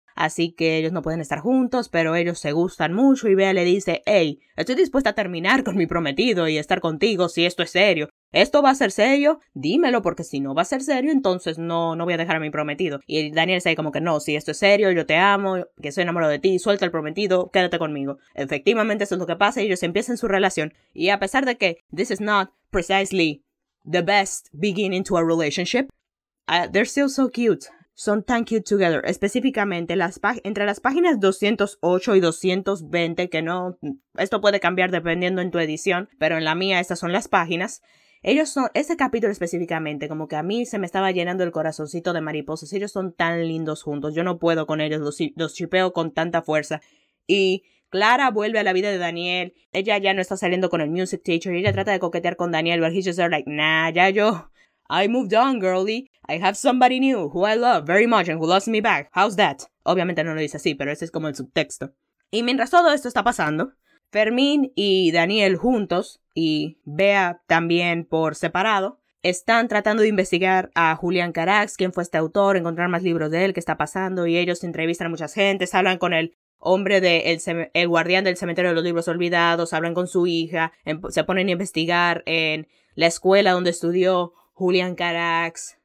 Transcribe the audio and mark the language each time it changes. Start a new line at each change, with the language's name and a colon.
Spanish: Así que ellos no pueden estar juntos, pero ellos se gustan mucho y Bea le dice, hey, estoy dispuesta a terminar con mi prometido y estar contigo si esto es serio. ¿Esto va a ser serio? Dímelo, porque si no va a ser serio, entonces no voy a dejar a mi prometido. Y Daniel se dice como que no, si esto es serio, yo te amo, que soy enamorado de ti, suelta el prometido, quédate conmigo. Efectivamente, eso es lo que pasa y ellos empiezan su relación. Y a pesar de que
English: this is not precisely the best beginning to a relationship, they're still so cute.
Spanish: Son tan
English: cute together.
Spanish: Específicamente, entre las páginas 208 y 220, que no, esto puede cambiar dependiendo en tu edición, pero en la mía estas son las páginas. Ese capítulo específicamente, como que a mí se me estaba llenando el corazoncito de mariposas. Ellos son tan lindos juntos. Yo no puedo con ellos, los chipeo con tanta fuerza. Y Clara vuelve a la vida de Daniel. Ella ya no está saliendo con el music teacher. Ella trata de coquetear con Daniel,
English: but he's just there like, nah,
Spanish: ya yo.
English: I moved on, girly. I have somebody new who I love very much and who loves me back. How's that?
Spanish: Obviamente no lo dice así, pero ese es como el subtexto. Y mientras todo esto está pasando, Fermín y Daniel juntos, y Bea también por separado, están tratando de investigar a Julián Carax, quién fue este autor, encontrar más libros de él, qué está pasando, y ellos entrevistan a muchas gentes, hablan con el hombre el guardián del cementerio de los libros olvidados, hablan con su hija, se ponen a investigar en la escuela donde estudió Julián Carax.